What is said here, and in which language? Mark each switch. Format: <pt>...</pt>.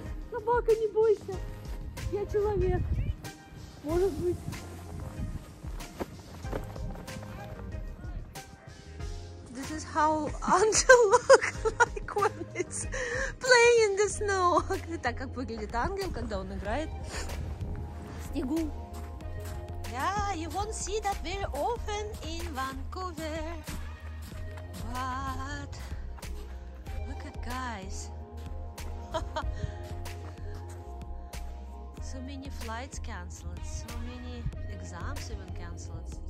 <ru>Собака, не бойся. Я человек. Может быть.</ru> <en>How angel look like when it's playing in the snow.</en> <ru>Так как выглядит ангел, когда он играет в снегу.</ru> <en>Yeah, you won't see that very often in Vancouver. But look at guys. So many flights cancelled, so many exams even cancelled.</en>